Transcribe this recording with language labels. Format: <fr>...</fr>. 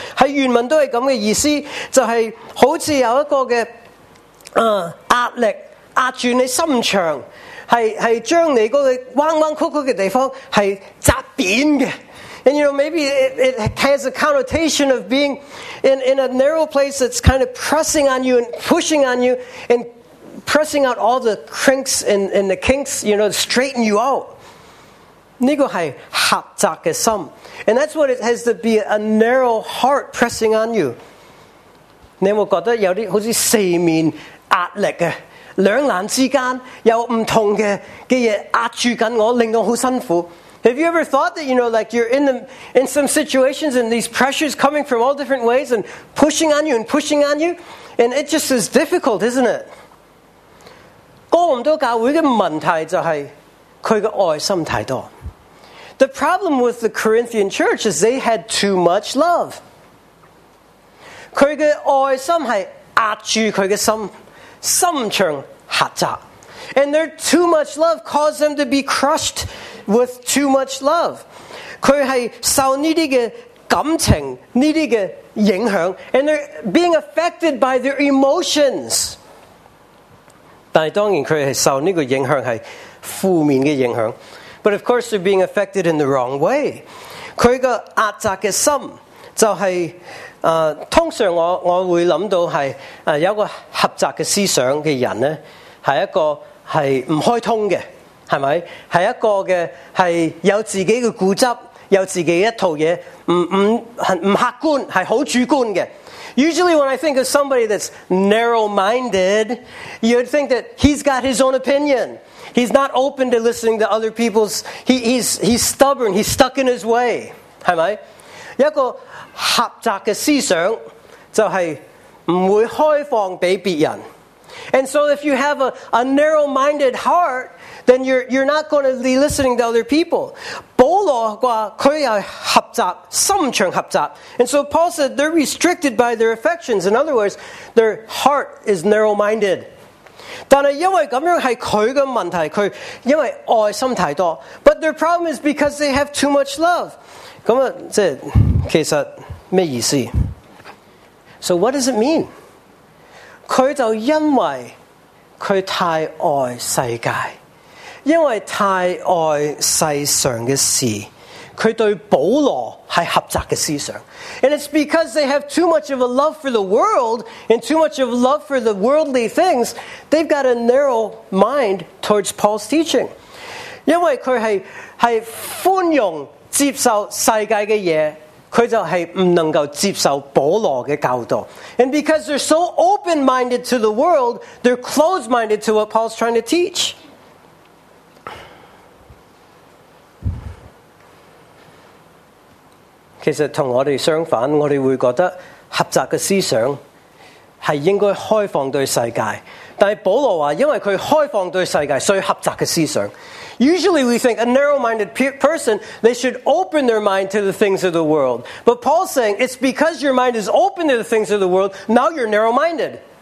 <zh>在原文都是这样的意思，就是好像有一个的压力压住你心肠，是将你那个弯弯曲曲的地方是窄扁的。</zh> <en>And you know, maybe it has a connotation of being in a narrow place that's kind of pressing on you and pushing on you and pressing out all the cranks and the kinks, you know, to straighten you out.</en> <zh>这个是狭窄的心。</zh> <en>And that's what it has to be, a narrow heart pressing on you.</en> <zh>你会觉得有些好像四面压力的。两难之间有不同的东西压住我，令我很辛苦。</zh> <en>Have you ever thought that, you know, like you're in some situations and these pressures coming from all different ways and pushing on you and pushing on you? And it just is difficult, isn't it?</en> <zh>哥林多教会的问题就是他的爱心太多。</zh> <en>The problem with the Corinthian church is they had too much love.</en> <zh>他的爱心是压住他的心，心肠狭窄。</zh> <en>And their too much love caused them to be crushed with too much love.</en> <zh>他是受这些感情，这些影响，</zh> <en>and they're being affected by their emotions.</en> <zh>但当然他是受这个影响是负面的影响。</zh> <en>But of course they're being affected in the wrong way.</en> <zh>他的压窄的心就是通常 我会想到是有一个狭窄的思想的人呢，是一个是不开通的，是不是？是一个的是有自己的固执，有自己一套东西，不客观，是很主观的。</zh> <en>Usually when I think of somebody that's narrow-minded, you'd think that he's got his own opinion. He's not open to listening to other people's. He's stubborn, he's stuck in his way.</en> <zh>是不是？一个狭窄的思想就是不会开放给别人。</zh> <en>And so if you have a narrow-minded heart, then you're not going to be listening to other people.</en> <zh>保罗说他有狭窄，心肠狭窄。</zh> <en>And so Paul said they're restricted by their affections. In other words, their heart is narrow-minded.</en> <zh>但是因为这样是他的问题，他因为爱心太多。</zh> <en>But their problem is because they have too much love.</en> <zh>那这其实什么意思？ So what does it mean? 他就因为他太爱世界，因为太爱世上的事，他对保罗是狭窄的思想。</zh> <en>And it's because they have too much of a love for the world and too much of a love for the worldly things, they've got a narrow mind towards Paul's teaching.</en> <zh>因为他 是宽容接受世界的事，他就是不能够接受保罗的教导。</zh> <en>And because they're so open-minded to the world, they're closed-minded to what Paul's trying to teach.</en> <zh>其实跟我们相反，我们会觉得狭窄的思想是应该开放对世界。但是保罗说，因为他开放对世界，所以狭窄的思想。</zh> <en>Usually we think a narrow-minded person, they should open their mind to the things of the world. But Paul's saying, it's because your mind is open to the things of the world, now you're narrow-minded.</en>